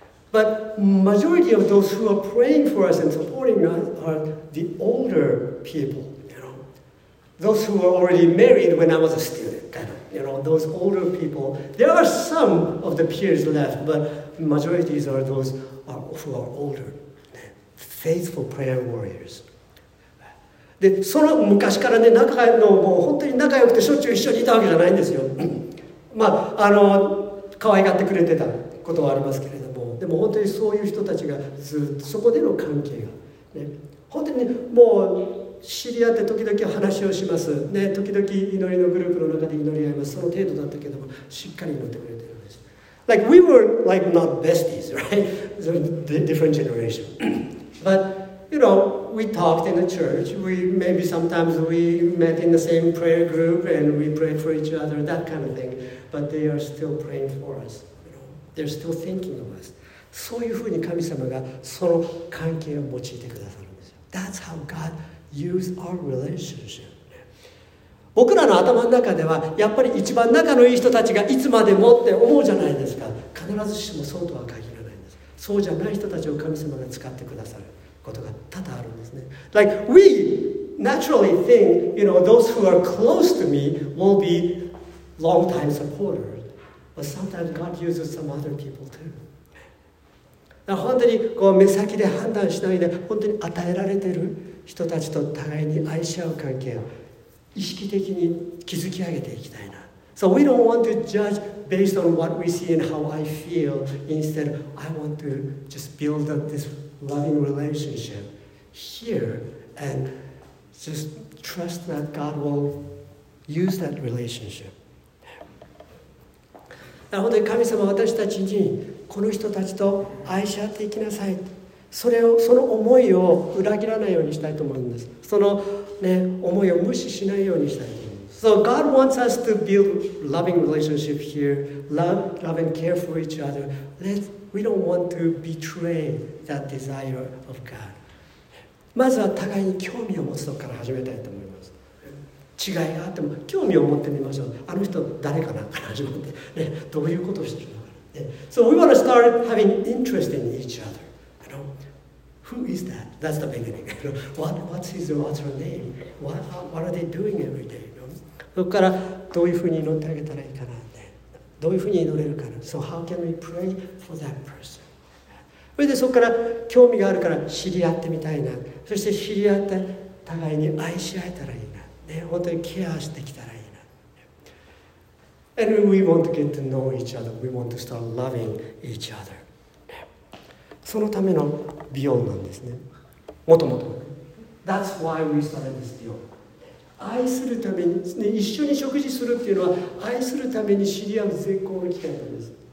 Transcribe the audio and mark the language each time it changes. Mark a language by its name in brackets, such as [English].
[English] But majority of those who are praying for us and supporting us are the older people, you know. Those who were already married when I was a student, kind of, you know, those older people. There are some of the peers left, but majorities are those who are older, faithful prayer warriors. [Japanese] で、その昔からね、仲のもう本当に仲良くてしょっちゅう一緒にいたわけじゃないんですよ。まあ、可愛がってくれてたことはありますけれど。でも本当にそういう人たちがずっとそこでの関係が、ね、本当にもう知り合って時々話をします、ね、時々祈りのグループの中で祈り合います、その程度だったけどもしっかり祈ってくれてるんです。 [English] Like we were like not besties, right? Different generation. But you know, we talked in the church. We maybe sometimes we met in the same prayer group and we prayed for each other, that kind of thing. But they are still praying for us. You know? They're still thinking of us. [Japanese] そういうふうに神様がその関係を用いてくださるんですよ。 [English] That's how God used our relationship. [Japanese] 僕らの頭の中ではやっぱり一番仲のいい人たちがいつまでもって思うじゃないですか。必ずしもそうとは限らないんです。そうじゃない人たちを神様が使ってくださることが多々あるんですね。 [English] Like we naturally think, you know, those who are close to me will be long-time supporters. But sometimes God uses some other people too. [Japanese] 本当にこう目先で判断しないで本当に与えられている人たちと互いに愛し合う関係を意識的に築き上げていきたいな。 [English] So we don't want to judge based on what we see and how I feel. Instead, I want to just build up this loving relationship here and just trust that God will use that relationship. [Japanese] 本当に神様は私たちにこの人たちと愛し合っていきなさい、その思いを裏切らないようにしたいと思うんです。その、ね、思いを無視しないようにしたい。 [English] So God wants us to build loving relationship here. Love and care for each other. We don't want to betray that desire of God. [Japanese] まずは互いに興味を持つとこから始めたいと思います。違いがあっても興味を持ってみましょう。あの人誰かなから始めて、ね、どういうことをしてるの。 [English] So we want to start having interest in each other. You know, who is that? That's the beginning. You know, what's her name? What are they doing every day? You know? [Japanese] そこからどういうふうに祈ってあげたらいいかな、ね、どういうふうに祈れるかな。 [English] So how can we pray for that person? [Japanese] それでそこから興味があるから知り合ってみたいな。そして知り合って互いに愛し合えたらいいな、ね、本当にケアしてきたらいい。 [English] And we want to get to know each other. We want to start loving each other. [Japanese] そのためのビヨンなんですね。もともと。 [English] That's why we started this ビヨン。 [Japanese] 愛するために、ね、一緒に食事するっていうのは愛するために知り合う絶好の機会なんです。